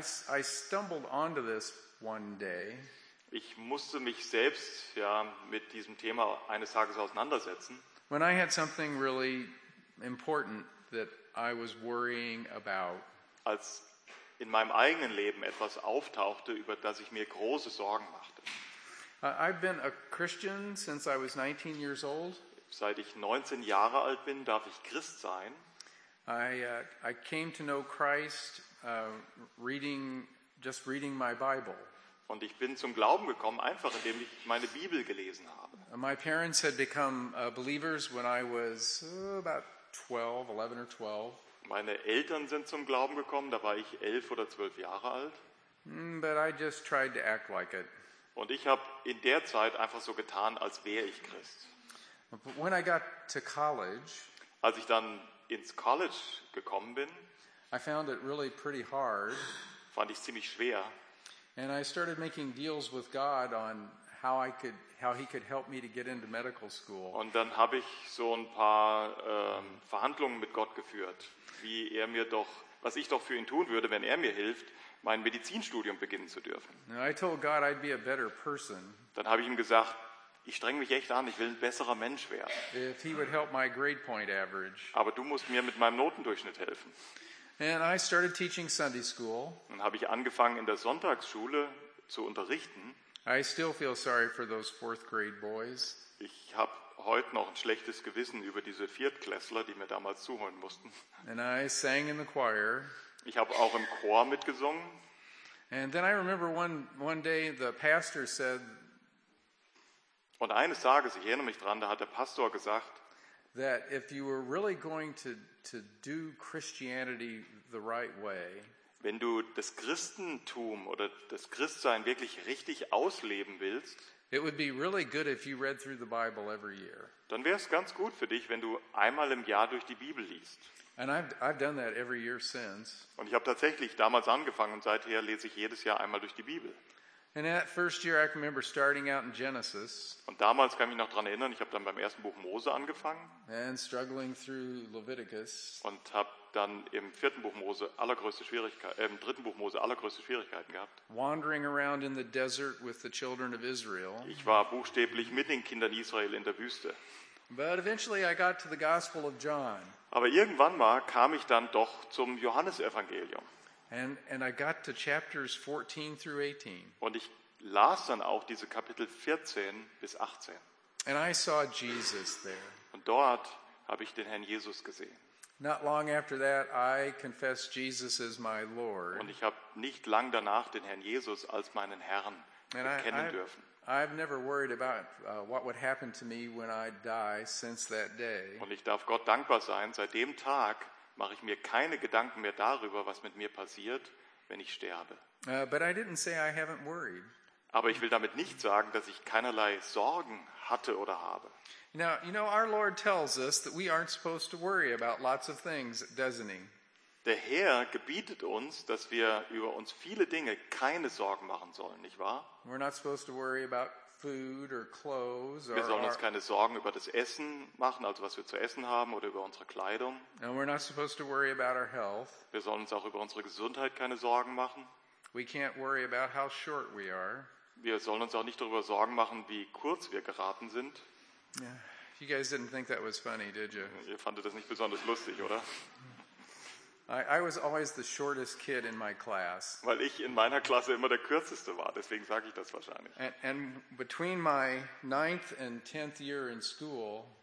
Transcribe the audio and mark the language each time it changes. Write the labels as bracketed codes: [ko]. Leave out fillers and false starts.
[en] I stumbled onto this one day. [de] Ich musste mich selbst ja mit diesem Thema eines Tages auseinandersetzen. [en] When I had something really important that I was worrying about. [de] Als in meinem eigenen Leben etwas auftauchte, über das ich mir große Sorgen machte. [en] I've been a Christian since I was 19 years old. [de] Seit ich 19 Jahre alt bin, darf ich Christ sein. [en] I came to know Christ reading my Bible. [de] Und ich bin zum Glauben gekommen einfach indem ich meine Bibel gelesen habe. [en] My parents had become believers when I was about 12, 11 or 12. [de] Meine Eltern sind zum Glauben gekommen, da war ich 11 oder 12 Jahre alt. [en] But I just tried to act like it. [de] Und ich habe in der Zeit einfach so getan, als wäre ich Christ. [en] But when I got to college, [de] als ich dann ins College gekommen bin, [en] I found it really pretty hard. [de] Fand ich ziemlich schwer. [en] And I started making deals with God on how I could, how He could help me to get into medical school. [de] Und dann habe ich so ein paar Verhandlungen mit Gott geführt, wie er mir doch, was ich doch für ihn tun würde, wenn er mir hilft, mein Medizinstudium beginnen zu dürfen. [en] And I told God I'd be a better person. [de] Dann habe ich ihm gesagt, ich streng mich echt an, ich will ein besserer Mensch werden. [en] If He would help my grade point average. [de] Aber du musst mir mit meinem Notendurchschnitt helfen. [en] And I started teaching Sunday school. [de] Dann habe ich angefangen, in der Sonntagsschule zu unterrichten. [en] I still feel sorry for those fourth grade boys. [de] Ich habe heute noch ein schlechtes Gewissen über diese Viertklässler, die mir damals zuhören mussten. [en] And I sang in the choir. [de] Ich habe auch im Chor mitgesungen. [en] And then I remember one day the pastor said. [de] Und eines Tages, ich erinnere mich dran, da hat der Pastor gesagt, [en] that if you were really going to do Christianity the right way, [de] wenn du das Christentum oder das Christsein wirklich richtig ausleben willst, [en] it would be really good if you read through the Bible every year. [de] Dann wäre es ganz gut für dich, wenn du einmal im Jahr durch die Bibel liest. [en] And I've done that every year since. [de] Und ich habe tatsächlich damals angefangen und seither lese ich jedes Jahr einmal durch die Bibel. [en] And that first year I can remember starting out in Genesis. [de] Und damals kann ich mich noch dran erinnern, ich habe dann beim ersten Buch Mose angefangen. [en] And struggling through Leviticus. [de] Und habe dann im vierten Buch Mose allergrößte Schwierigkeiten, im dritten Buch Mose allergrößte Schwierigkeiten gehabt. [en] Wandering around in the desert with the children of Israel. [de] Ich war buchstäblich mit den Kindern Israel in der Wüste. [en] But eventually I got to the Gospel of John. [de] Aber irgendwann mal kam ich dann doch zum Johannesevangelium. [en] And I got to chapters 14 through 18. [de] Und ich las dann auch diese Kapitel 14 bis 18. [en] And I saw Jesus there. [de] Und dort habe ich den Herrn Jesus gesehen. [en] Not long after that, I confessed Jesus as my Lord. [de] Und ich habe nicht lang danach den Herrn Jesus als meinen Herrn bekennen dürfen. [en] I've never worried about what would happen to me when I die since that day. [de] Und ich darf Gott dankbar sein, seit dem Tag mache ich mir keine Gedanken mehr darüber, was mit mir passiert, wenn ich sterbe. [en] But I didn't say I haven't worried. [de] Aber ich will damit nicht sagen, dass ich keinerlei Sorgen hatte oder habe. [en] Now, you know, our Lord tells us that we aren't supposed to worry about lots of things, doesn't he? [de] Der Herr gebietet uns, dass wir über uns viele Dinge keine Sorgen machen sollen, nicht wahr? [en] We're not supposed to worry about food or clothes. [de] Wir sollen uns keine Sorgen über das Essen machen, also was wir zu essen haben, oder über unsere Kleidung. [en] And we're not supposed to worry about our health. [de] Wir sollen uns auch über unsere Gesundheit keine Sorgen machen. [en] We can't worry about how short we are. [de] Wir sollen uns auch nicht darüber Sorgen machen, wie kurz wir geraten sind. [en] Yeah. You guys didn't think that was funny, did you? [de] Ihr fandet das nicht besonders lustig, oder? [en] I was always the shortest kid in my class. [de] Weil ich in meiner Klasse immer der kürzeste war, deswegen sage ich das wahrscheinlich. [en] And between my 9th and 10th year in school,